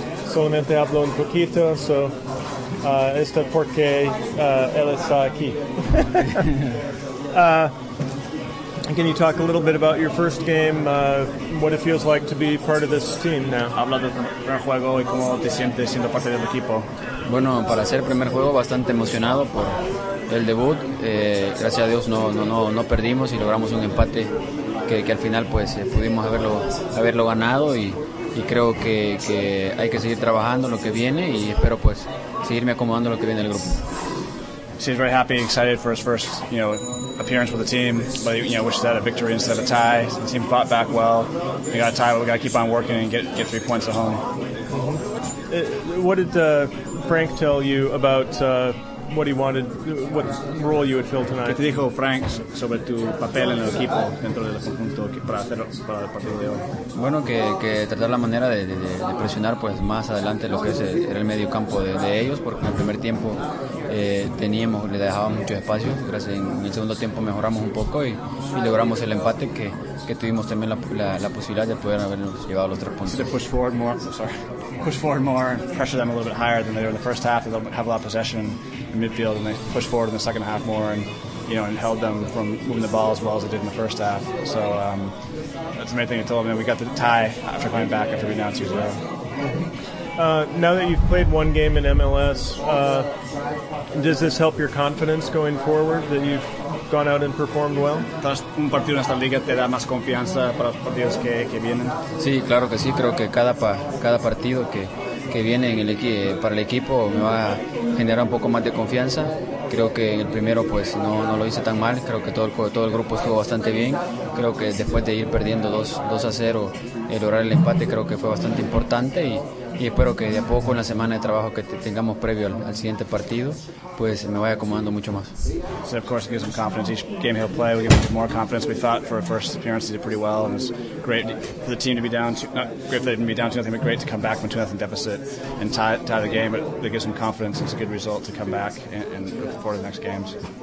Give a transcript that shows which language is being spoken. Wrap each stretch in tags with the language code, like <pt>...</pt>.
<es>Solamente hablo un poquito, esto porque él está aquí.</es> <en>Can you talk a little bit about your first game, what it feels like to be part of this team now?</en> <es>Habla del primer juego y cómo te sientes siendo parte del equipo. Bueno, para hacer el primer juego, bastante emocionado por el debut. Gracias a Dios no perdimos y logramos un empate que al final pues pudimos haberlo ganado y creo que hay que seguir trabajando lo que viene y espero pues seguirme acomodando lo que viene del grupo.</es> <en>Seems very happy, excited for his first, appearance with the team, but wishes had a victory instead of a tie. The team fought back well. We got a tie, but we got to keep on working and get 3 points at home. What did Frank tell you about what he wanted, what role you would fill tonight?</en> <es>¿Qué te dijo Frank sobre tu papel en el equipo dentro del conjunto para el partido de hoy? Bueno, que tratar la manera de presionar pues más adelante lo que es el medio campo de ellos, porque en el primer tiempo le dejábamos muchos espacios. Gracias. En el segundo tiempo mejoramos un poco y logramos el empate que tuvimos también la posibilidad de poder habernos llevado los 3 puntos.</es> <en>To push forward more, pressure them a little bit higher than they were in the first half. They don't have a lot of possession in midfield and they push forward in the second half more and held them from moving the ball as well as they did in the first half. So that's the main thing I told them. We got the tie after coming back after being down 2-0. Now that you've played one game in MLS, does this help your confidence going forward that you've gone out and performed well?</en> <es>Un partido en esta liga te da más confianza para los partidos que vienen. Sí, claro que sí. Creo que cada partido que viene en para el equipo me va a generar un poco más de confianza. Creo que en el primero pues no lo hice tan mal. Creo que todo el grupo estuvo bastante bien. Creo que después de ir perdiendo 2-0, el lograr el empate creo que fue bastante importante y espero que de a poco en la semana de trabajo que tengamos previo al siguiente partido pues me vaya acomodando mucho más.</es> <en>So of course it gives him confidence. Each game he'll play will give him more confidence. We thought for a first appearance he did pretty well and it's great for the team to be down to, not great for them to be down to nothing, but great to come back from 2-0 deficit and tie the game. It gives him confidence. It's a good result to come back and look forward to the next games.</en>